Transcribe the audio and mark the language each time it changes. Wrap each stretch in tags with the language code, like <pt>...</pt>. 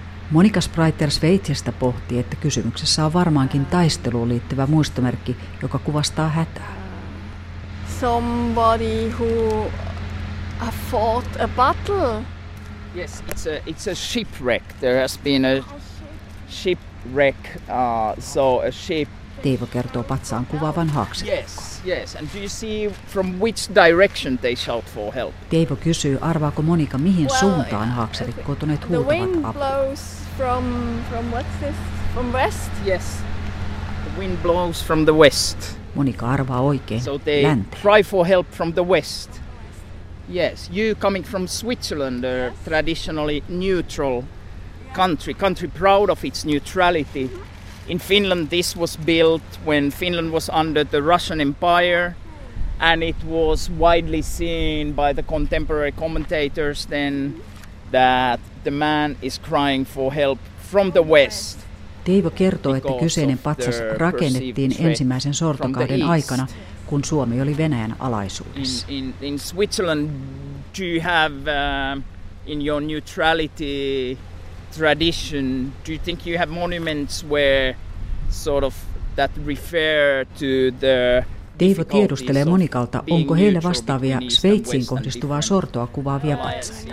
<fi>Monika Spreiter-Sveitsestä pohti, että kysymyksessä on varmaankin taisteluun liittyvä muistomerkki, joka kuvastaa hätää.</fi> <en>Somebody who fought a battle. Yes, it's a shipwreck. There has been a shipwreck. So a ship.</en> <fi>Teivo kertoo patsaan kuvaavan haaksirikkoa.</fi> <en>Yes. And do you see from which direction they shout for help?</en> <fi>Teivo kysyy, arvaako Monika, mihin suuntaan haaksirikkoutuneet huutavat apua.</fi> <en>The wind blows from what's this? From west? Yes. The wind blows from the west.</en> <fi>Monika arvaa oikein.</fi> <en>So they</en> <fi>länteen.</fi> <en>Cry for help from the west. Yes. You coming from Switzerland, yes. A traditionally neutral country proud of its neutrality. In Finland this was built when Finland was under the Russian Empire and it was widely seen by the contemporary commentators then that the man is crying for help from the west.</en> <fi>Teivo kertoo, että kyseinen patsas rakennettiin ensimmäisen sortokauden aikana, kun Suomi oli Venäjän alaisuudessa.</fi> <en>In Switzerland do you have in your neutrality tradition, do you think you have monuments where sort of that refer to the...</en> <fi>Teivo tiedustelee Monikalta, onko heillä vastaavia Sveitsiin kohdistuvaa sortoa kuvaavia patsaita.</fi>